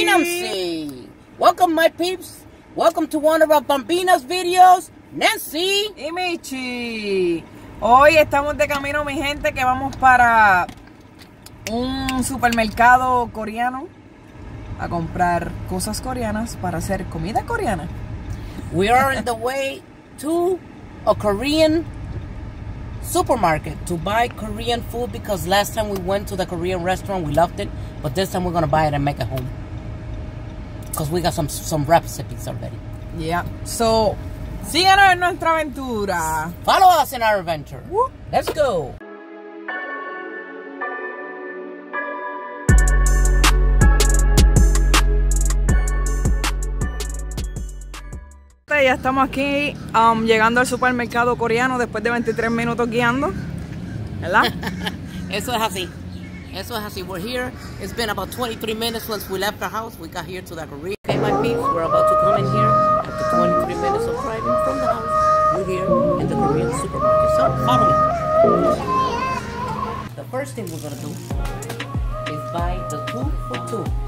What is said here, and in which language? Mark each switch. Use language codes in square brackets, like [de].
[en] Inamsi. Welcome, my peeps. Welcome to one of our bambinas videos. Nancy. [es] Y Michi. Hoy estamos de camino, mi gente, que vamos para un supermercado coreano a comprar cosas coreanas para hacer comida coreana. [en] We are on the way to a Korean supermarket to buy Korean food because last time we went to the Korean restaurant, we loved it, but this time we're gonna buy it and make it home because we got some recipes already. Yeah, [es] so síganos en nuestra aventura. [en] Follow us in our adventure. Woo. Let's go. [es] Ya estamos aquí llegando al supermercado coreano después de 23 minutos guiando, ¿verdad? Eso es así. [en] We're here. It's been about 23 minutes since we left the house. We got here to the Korean. Okay, my peeps, we're about to come in here after 23 minutes of driving from the house. We're here in the Korean supermarket. So, follow me. The first thing we're gonna do is buy the two for two.